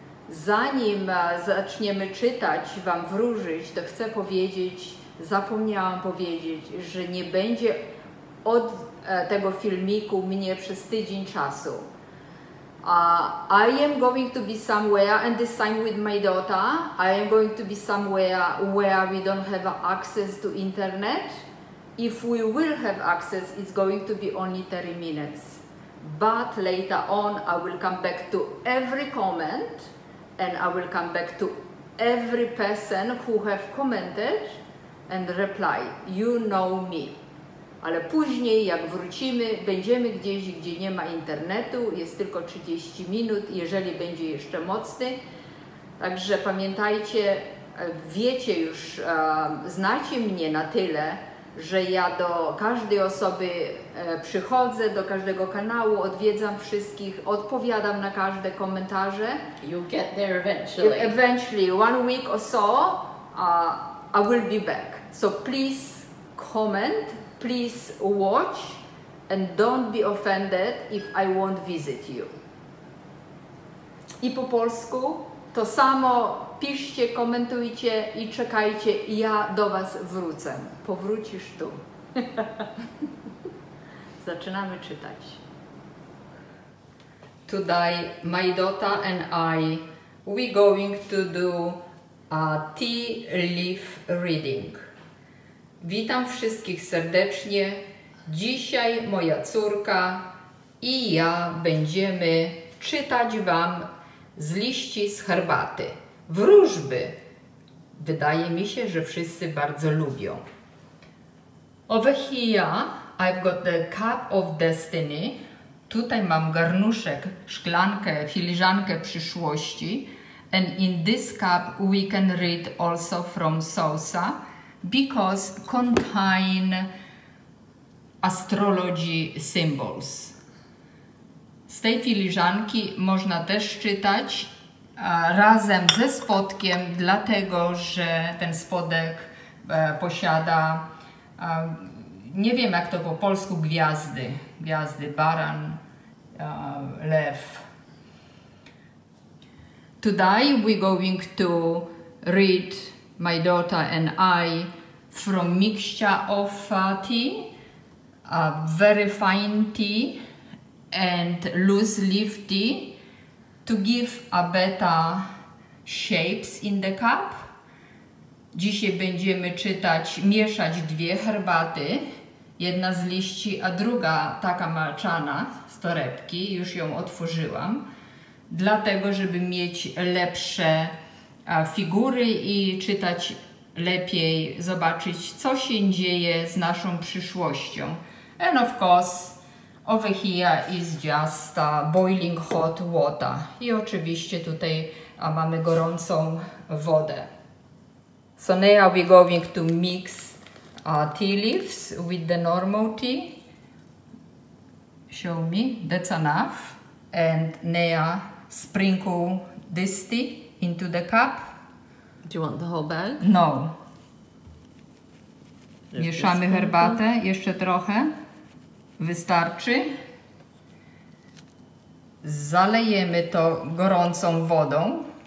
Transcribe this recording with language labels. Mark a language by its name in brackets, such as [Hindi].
[Polish] Zanim zaczniemy czytać, wam wróżyć, to chcę powiedzieć, zapomniałam powiedzieć, że nie będzie od tego filmiku mnie przez tydzień czasu. [English] I am going to be somewhere, and this time with my daughter. I am going to be somewhere where we don't have access to internet. If we will have access, it's going to be only 30 minutes. But later on, I will come back to every comment, and I will come back to every person who have commented and replied. You know me. [Polish] Ale później, jak wrócimy, będziemy gdzieś, gdzie nie ma internetu, jest tylko 30 minut, jeżeli będzie jeszcze mocny. Także pamiętajcie, wiecie już, znacie mnie na tyle, że ja do każdej osoby przychodzę, do każdego kanału, odwiedzam wszystkich, odpowiadam na każde komentarze. [English] You'll get there eventually. Eventually, one week or so, I will be back. So please comment. Please watch and don't be offended if I won't visit you. [Polish] I po polsku to samo, piszcie, komentujcie i czekajcie, ja do was wrócę. Powrócisz tu. Zaczynamy czytać. [English] Today my daughter and I, we going to do a tea leaf reading. [Polish] Witam wszystkich serdecznie. Dzisiaj moja córka i ja będziemy czytać wam z liści z herbaty. Wróżby. Wydaje mi się, że wszyscy bardzo lubią. [English] Over here I've got the cup of destiny. [Polish] Tutaj mam garnuszek, szklankę, filiżankę przyszłości. [English] And in this cup we can read also from Sousa. Because contain astrology symbols. [Polish] Z tej filiżanki można też czytać razem ze spodkiem, dlatego że ten spodek posiada, nie wiem jak to po polsku, gwiazdy. Gwiazdy, baran, lew. [English] Today we going to read, my daughter and I, from mixture of tea, a very fine tea and loose leaf tea to give a better shapes in the cup. [Polish] Dzisiaj będziemy czytać, mieszać dwie herbaty, jedna z liści, a druga taka malczana z torebki, już ją otworzyłam, dlatego żeby mieć lepsze figury i czytać lepiej, zobaczyć, co się dzieje z naszą przyszłością. [English] And of course, over here is just boiling hot water. [Polish] I oczywiście tutaj mamy gorącą wodę. [English] So now we're going to mix tea leaves with the normal tea. Show me, that's enough. And now sprinkle this tea into the cup. Do you want the whole bag? No. [Polish] Mieszamy herbatę jeszcze trochę. Wystarczy. Zalejemy to gorącą wodą.